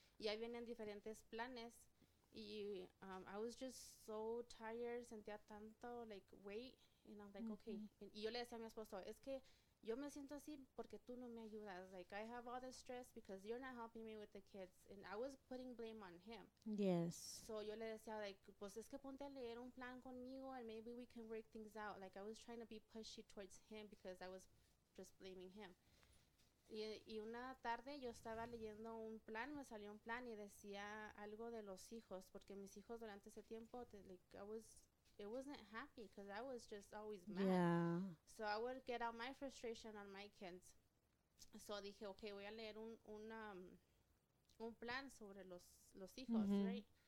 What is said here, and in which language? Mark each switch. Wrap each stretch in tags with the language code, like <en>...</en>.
<es>Y ahí vienen diferentes planes,</es> <en>y I was just so tired,</en> <es>sentía tanto,</es> <en>like, weight, and I'm like, okay.</en> <es>Y yo le decía a mi esposo, es que yo me siento así porque tú no me ayudas.</es> <en>Like, I have all the stress because you're not helping me with the kids. And I was putting blame on him. Yes.</en> <es>So yo le decía, like, pues es que ponte a leer un plan conmigo</es> <en>and maybe we can work things out. Like, I was trying to be pushy towards him because I was just blaming him.</en> <es>Y una tarde yo estaba leyendo un plan, me salió un plan y decía algo de los hijos. Porque mis hijos durante ese tiempo,</es> <en>it wasn't happy because I was just always mad. Yeah. So I would get out my frustration on my kids.</en> <es>So dije, okay, voy a leer un plan sobre los hijos, right?</es>